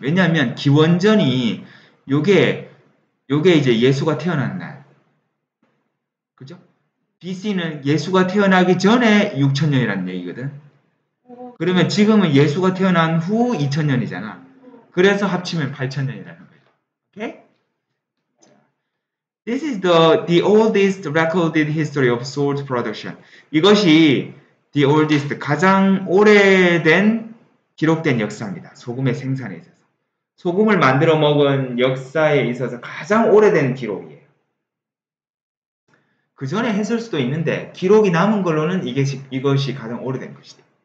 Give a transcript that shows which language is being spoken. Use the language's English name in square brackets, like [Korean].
[Korean] 왜냐하면 기원전이 요게 이제 예수가 태어난 날. 그죠? BC는 예수가 태어나기 전에 6000년이라는 얘기거든. 그러면 지금은 예수가 태어난 후 2000년이잖아. 그래서 합치면 8000년이라는 거예요. 오케이? [English] This is the oldest recorded history of salt production. [Korean] 이것이 the oldest, 가장 오래된 기록된 역사입니다. 소금의 생산에 있어서. 소금을 만들어 먹은 역사에 있어서 가장 오래된 기록이에요. 그 전에 했을 수도 있는데, 기록이 남은 걸로는 이것이 가장 오래된 것이다.